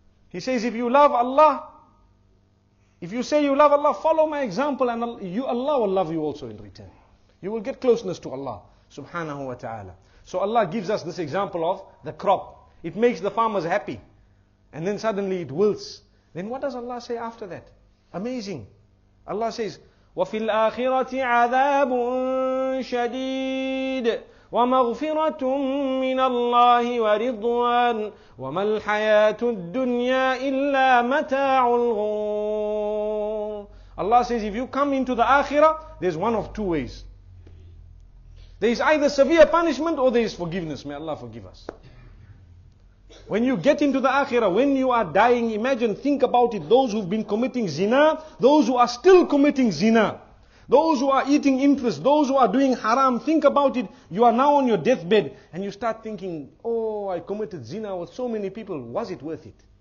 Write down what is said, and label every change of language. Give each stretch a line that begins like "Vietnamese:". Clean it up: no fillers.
English: He says, if you love Allah, if you say you love Allah, follow my example and Allah will love you also in return. You will get closeness to Allah subhanahu wa ta'ala. So Allah gives us this example of the crop. It makes the farmers happy. And then suddenly it wilts. Then what does Allah say after that? Amazing. Allah says,
Arabic: وَفِي الْآخِرَةِ عَذَابٌ شَدِيدٌ وَمَغْفِرَةٌ مِّنَ اللَّهِ وَرِضْوَانٌ وَمَا الْحَيَاةُ الدُّنْيَا إِلَّا مَتَاعُ الْغُرُورِ.
English: Allah says, if you come into the akhirah, there's one of two ways. There is either severe punishment or there is forgiveness. May Allah forgive us. When you get into the akhirah, when you are dying, imagine, think about it, those who've been committing zina, those who are still committing zina, those who are eating interest, those who are doing haram, think about it, you are now on your deathbed, and you start thinking, oh, I committed zina with so many people, was it worth it?